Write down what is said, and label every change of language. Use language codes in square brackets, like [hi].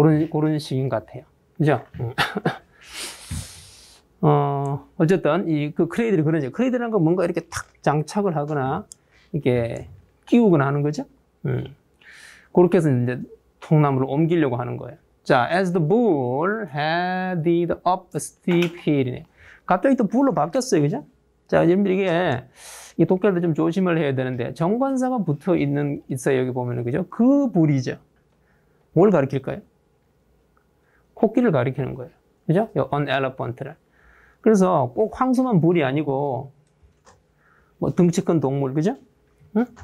[ko] 그런 식인 것 같아요. 그죠? 어쨌든, 크레이드를 그러죠. 크레이드라는 건 뭔가 이렇게 탁 장착을 하거나, 이렇게 끼우거나 하는 거죠. 그렇게 해서 이제 통나무를 옮기려고 하는 거예요. [en] 자, as the bull headed up the steep hill. [ko] 갑자기 또 bull로 바뀌었어요. 그죠? 자, 여러분들 이게 독일도 좀 조심을 해야 되는데, 정관사가 붙어 있는, 있어요. 여기 보면은, 그죠? 그 불이죠. 뭘 가리킬까요? 코끼리를 가리키는 거예요. 그죠? 이 on elephant를. 그래서 꼭 황소만 불이 아니고, 뭐 덩치 큰 동물, 그죠? 응?